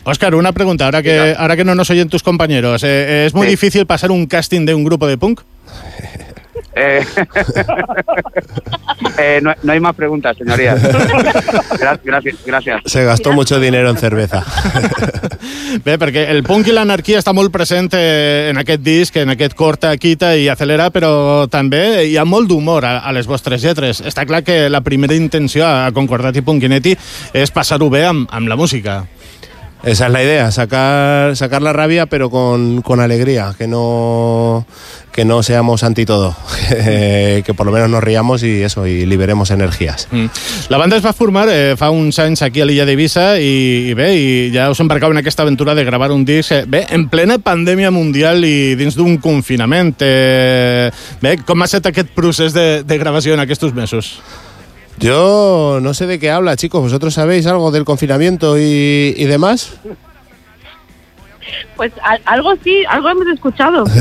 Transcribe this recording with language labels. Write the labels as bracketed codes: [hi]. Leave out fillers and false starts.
[es] Óscar, una pregunta, ahora que no nos oyen tus compañeros, ¿es muy difícil pasar un casting de un grupo de punk? No hay más preguntas, señoría. Gracias. Se gastó mucho dinero en cerveza. [ca] Bé, perquè el punk i l'anarquia està molt present en aquest disc, en aquest Corta, Quita i Acelera, però també hi ha molt d'humor a les vostres lletres. Està clar que la primera intenció a Concordati Punchinetti és passar-ho bé amb la música. [es] Esa es la idea, sacar la rabia pero con alegría, que no seamos anti todo, que por lo menos nos riamos y eso, y liberemos energías. [ca] La banda es va formar fa uns anys aquí a l'illa d'Eivissa i ja us embarcau en aquesta aventura de gravar un disc en plena pandèmia mundial i dins d'un confinament. Com ha estat aquest procés de gravació en aquests mesos? [es] Yo no sé de qué habla, chicos. ¿Vosotros sabéis algo del confinamiento y demás? Pues algo sí, algo hemos escuchado.